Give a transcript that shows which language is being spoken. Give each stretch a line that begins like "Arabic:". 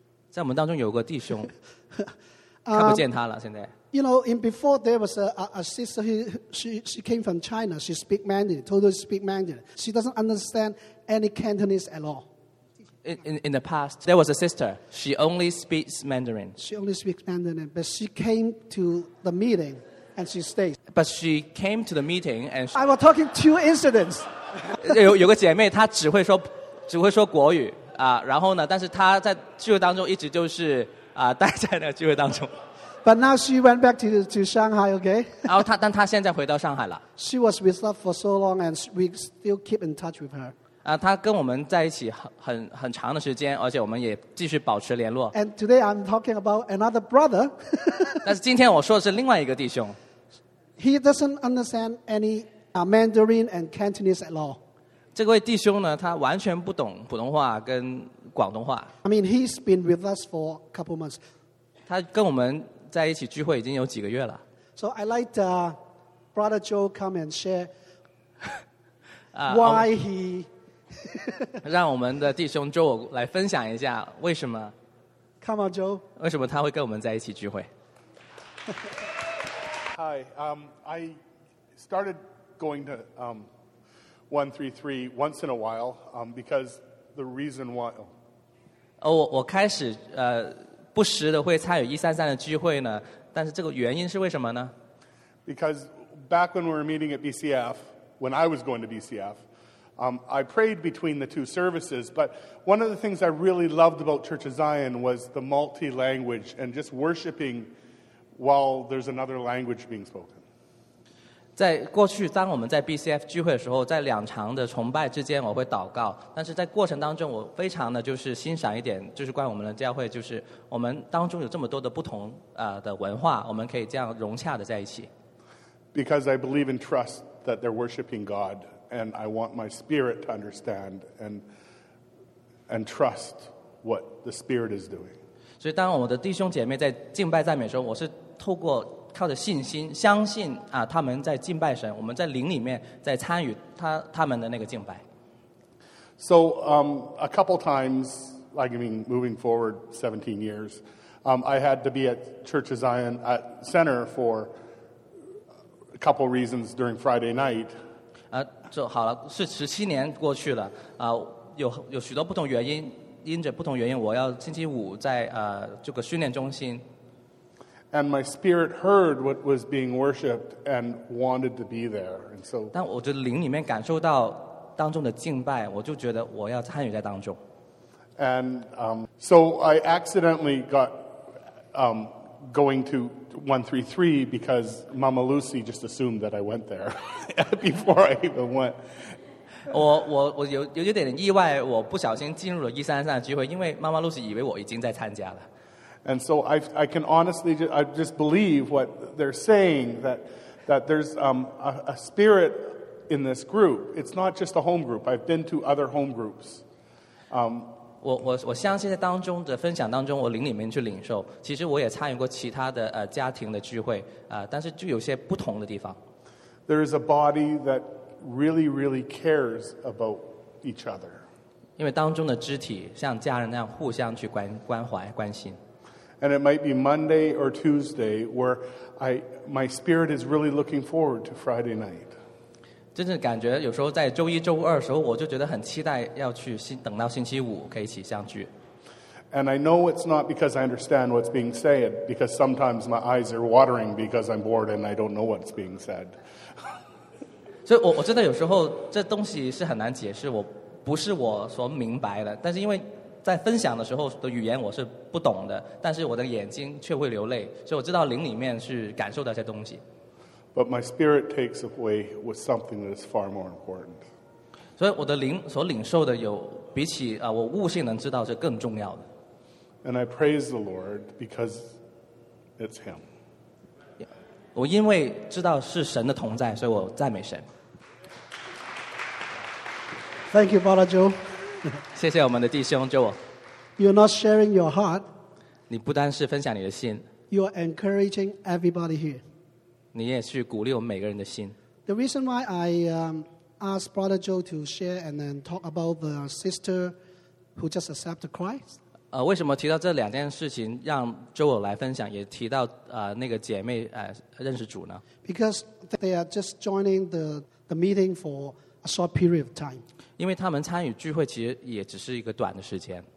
Chinese: 在我们当中有个弟兄，看不见他了。现在
English: ，You know, in before there was a sister who she came from China. She speak Mandarin, totally speak Mandarin. She doesn't understand any Cantonese at all. In the past, there was a sister. She only speaks Mandarin. She only speaks Mandarin, but she came to the meeting and she stays. But she came to the meeting and I was talking two incidents.
Chinese: 有个姐妹，她只会说国语。然后呢，但是他在聚会当中一直就是待在那个聚会当中。
English: But now she went back to Shanghai, okay?
Chinese: 然后但他现在回到上海了。
English: She was with us for so long and we still keep in touch with her.
Chinese: 他跟我们在一起很长的时间，而且我们也继续保持联络。
English: And today I'm talking about another brother.
Chinese: 但是今天我说的是另外一个弟兄。
English: He doesn't understand any Mandarin and Cantonese at all.
Chinese: 这位弟兄呢，他完全不懂普通话跟广东话。
English: I mean, he's been with us for a couple months.
Chinese: 他跟我们在一起聚会已经有几个月了。
English: So I let Brother Joe come and share why he
Chinese: 让我们的弟兄 Joe 来分享一下为什么。
English: Come on, Joe.
Chinese: 为什么他会跟我们在一起聚会
English: ？Hi, I started going to 133 once in a while because the reason why
Chinese: 我开始不时的会参与133的聚会呢，但是这个原因是为什么呢？
English: Because back when we were meeting at BCF, when I was going to BCF, I prayed between the two services, but one of the things I really loved about Church of Zion was the multi-language and just worshiping while there's another language being spoken.
Chinese: 在过去当我们在 BCF 聚会的时候，在两场的崇拜之间我会祷告，但是在过程当中我非常的就是欣赏一点，就是关于我们的教会，就是我们当中有这么多的不同的文化，我们可以这样融洽的在一起。
English: Because I believe and trust that they're worshiping God and I want my spirit to understand and trust what the spirit is doing.
Chinese: 所以当我的弟兄姐妹在敬拜赞美的时候，我是透过靠着信心相信他们在敬拜神，我们在灵里面在参与他们的那个敬拜。
English: So a couple times, like I mean moving forward 17 years, I had to be at Church of Zion at Center for a couple reasons during Friday night.
Chinese: 就好了，是17年过去了，有许多不同原因，因着不同原因我要星期五在这个训练中心。
English: And my spirit heard what was being worshipped and wanted to be there. And so,
Chinese: 但我就灵里面感受到当中的敬拜，我就觉得我要参与在当中。
English: And so I accidentally got going to 133 because Mama Lucy just assumed that I went there before I even went.
Chinese: 我有点意外，我不小心进入了133的聚会，因为妈妈 Lucy 以为我已经在参加了。
English: And so I can honestly I just believe what they're saying, that there's a spirit in this group. It's not just a home group. I've been to other home groups.
Chinese: 我相信在当中的分享当中，我灵里面去领受。其实我也参与过其他的家庭的聚会但是就有些不同的地方。
English: There is a body that really, really cares about each other.
Chinese: 因为当中的肢体像家人那样互相去关怀关心。
English: And it might be Monday or Tuesday where my spirit is really looking forward to Friday night.
Chinese: 真正感觉有时候在周一周二的时候，我就觉得很期待要去等到星期五可以一起相聚。
English: And I know it's not because I understand what's being said, because sometimes my eyes are watering because I'm bored and I don't know what's being said.
Chinese: 所以我真的有时候这东西是很难解释，我不是我所明白的，但是因为在分享的时候的语言我是不懂的，但是我的眼睛却会流泪，所以我知道灵里面是感受到一些东西。
English: But my spirit takes away with something that is far more important.
Chinese: 所以我的灵所领受的有比起啊，我悟性能知道是更重要的。
English: And I praise the Lord because it's Him.
Chinese: 我因为知道是神的同在，所以我赞美神。
English: Thank you, Brother Joe.
Chinese: 谢谢我们的弟兄 Joe.
English: You're not sharing your heart.
Chinese: 你不单是分享你的心。
English: You are encouraging everybody here.
Chinese: 你也是鼓励我们每个人的心。
English: The reason why I asked Brother Joe to share and then talk about the sister who just accepted Christ.
Chinese: 为什么提到这两件事情，让 Joe 来分享，也提到那个姐妹认识主呢
English: ？Because they are just joining the meeting for a short period of time.
Chinese: 因为他们参与聚会，其实也只是一个短的时间。